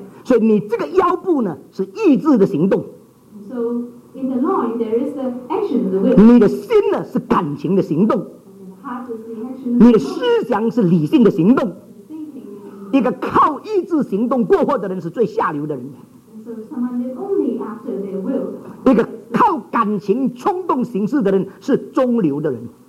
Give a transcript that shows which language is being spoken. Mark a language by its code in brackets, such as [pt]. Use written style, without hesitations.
[zh] 所以你这个腰部呢是意志的行动。 [en] So in the loin there is the action of the will. [zh] 你的心呢是感情的行动。 [en] And the heart is the action. [zh] 你的思想是理性的行动。一个靠意志行动过活的人是最下流的人。 [en] So someone is only after their will. [zh] 一个靠感情冲动行事的人是中流的人。